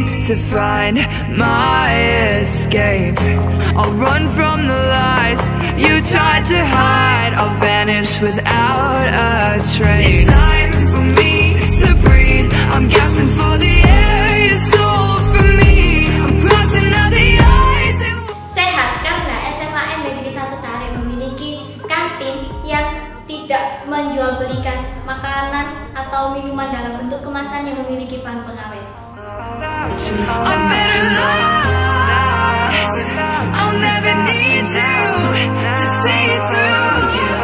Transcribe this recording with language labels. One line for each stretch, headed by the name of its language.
English: To find my escape, I'll run from the lies you tried to hide. I'll vanish without a trace. It's time for me to breathe. I'm gasping for the air you stole from me. I'm crossing out the eyes.
Indonesian: Sehat karena SMA Negeri 1 Tare memiliki kantin yang tidak menjual belikan makanan dan minuman yang tidak menjual belikan makanan atau minuman dalam bentuk kemasan yang memiliki bahan pengawet.
English: I'm better lost. I'll never need you to see through you.